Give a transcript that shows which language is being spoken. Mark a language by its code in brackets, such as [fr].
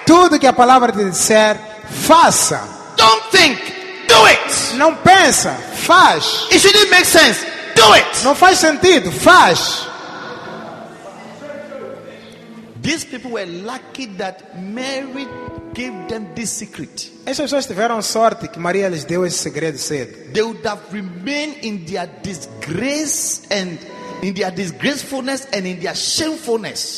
[pt] Tudo que a palavra te disser, faça. [en] Don't think. Do it. [pt] Não pensa, faz. [en] It shouldn't make sense. Do it. [pt] Não faz sentido, faz. [en] These people were lucky that Mary gave them this secret. [pt] Essas pessoas tiveram sorte que Maria lhes deu esse segredo cedo. [en] They would have remained in their disgrace and in their disgracefulness and in their shamefulness.